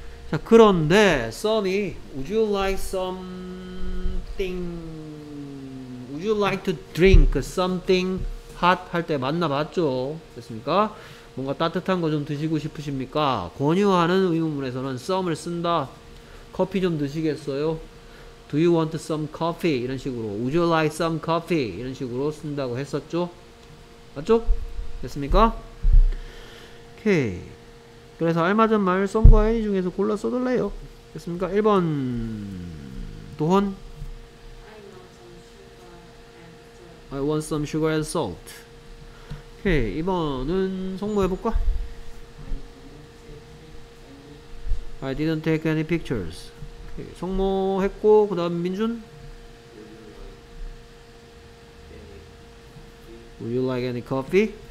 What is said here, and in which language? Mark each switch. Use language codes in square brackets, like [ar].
[en] 자, 그런데 some이 would you like something would you like to drink something hot [ko] 할 때 만나봤죠. 됐습니까? 뭔가 따뜻한 거 좀 드시고 싶으십니까? 권유하는 의문문에서는 some을 쓴다. 커피 좀 드시겠어요? [en] Do you want some coffee? [ko] 이런 식으로 [en] Would you like some coffee? [ko] 이런 식으로 쓴다고 했었죠? 맞죠? 됐습니까? 오케이. 그래서 알맞은 말 some과 any 중에서 골라 써둘래요. 됐습니까? [en] 1번 도헌 I want some sugar and salt. [ko] 오케이, 이번은 성모 해볼까? [en] I didn't take any pictures. [ko] 오케이, 성모 했고, 그 다음 민준? [en] Would you like any coffee?